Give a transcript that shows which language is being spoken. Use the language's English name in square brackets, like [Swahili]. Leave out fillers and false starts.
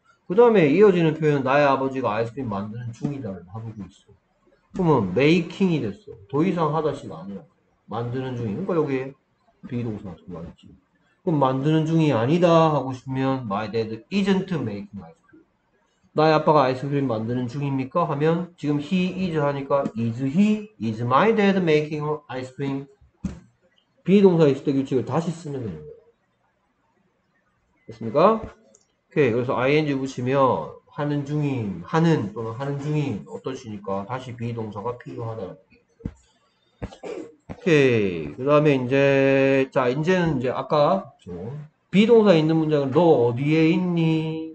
[Korean] 그 다음에 이어지는 표현은 나의 아버지가 아이스크림 만드는 중이다를 하고 있어. 그러면 메이킹이 됐어. 더 이상 하다시가 아니라 만드는 중이. 그러니까 여기에 비동사가 들어가겠지. 그럼 만드는 중이 아니다 하고 싶으면 [English] my dad isn't making [Korean] 아이스크림. 나의 아빠가 아이스크림 만드는 중입니까? 하면 지금 [English] he is [Korean] 하니까 [English] is he? Is my dad making ice cream? [Korean] be 동사 있을 때 규칙을 다시 쓰면 되는 거예요. 됐습니까? 오케이. 그래서 ing 붙이면 하는 중인, 하는 또는 하는 중인 어떤 시니까 다시 be 동사가 필요하다는 얘기예요. 오케이. 그다음에 이제 자 이제는 이제 아까 좀 비동사 있는 문장을 너 어디에 있니?